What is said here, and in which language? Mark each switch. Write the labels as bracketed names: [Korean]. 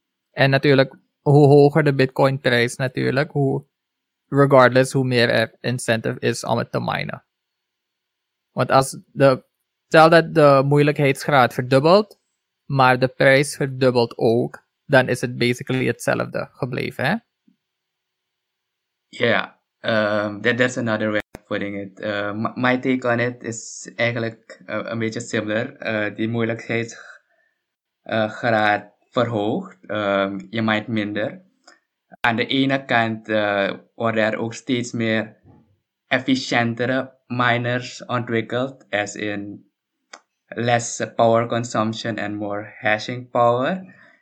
[Dutch] En natuurlijk, hoe hoger de bitcoin prijs natuurlijk, hoe regardless hoe meer er incentive is om het te minen. Want als de, stel dat de moeilijkheidsgraad verdubbelt, maar de prijs verdubbelt ook, dan is het basically hetzelfde gebleven, hè? [English] Ja, yeah, that's another way of putting it. My take on it is [Dutch] eigenlijk een beetje [English] similar. [Dutch] Die moeilijkheidsgraad verhoogt, je mind minder. Aan de ene kant worden er ook steeds meer efficiëntere miners ontwikkeld, [English] as in less power consumption and more hashing power.